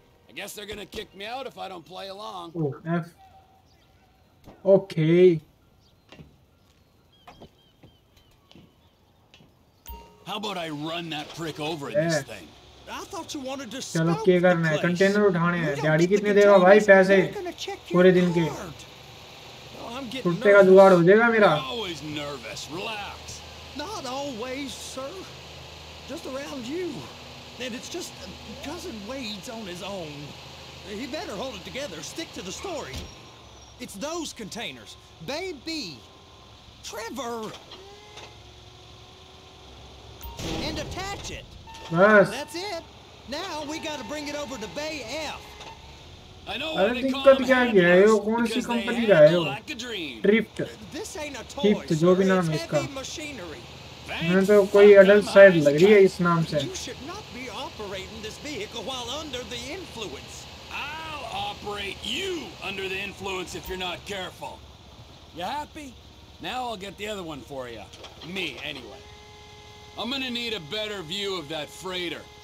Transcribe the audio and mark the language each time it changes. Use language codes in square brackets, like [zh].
[en] I guess they're gonna kick me out if I don't play along. Oh, F. Okay. How about I run that prick over in this thing? I thought you wanted to [hi] scope. चलो क्या करना है? Container उठाने हैं। गाड़ी कितने देगा भाई पैसे? पूरे दिन के। छुट्टे का जुगाड़ हो जाएगा मेरा। [en] Always nervous. Relax. Not always, sir. Just around you. And it's just cousin Wade's on his own. He better hold it together. Stick to the story. It's those containers. Baby. Trevor. And attach it. Yes. That's it. Now we got to bring it over to Bay F. I know what they call them handlers. Because they handle like a dream. Drift. This ain't a toy. [hi] Drift, जो भी नाम है इसका। [en] Machinery. [hi] मैंने तो कोई adult side लग रही है इस नाम से। [en] You should not be operating this vehicle while under the influence. I'll operate you under the influence if you're not careful. You happy? Now I'll get the other one for you. Me, anyway. I'm gonna need a better view of that freighter.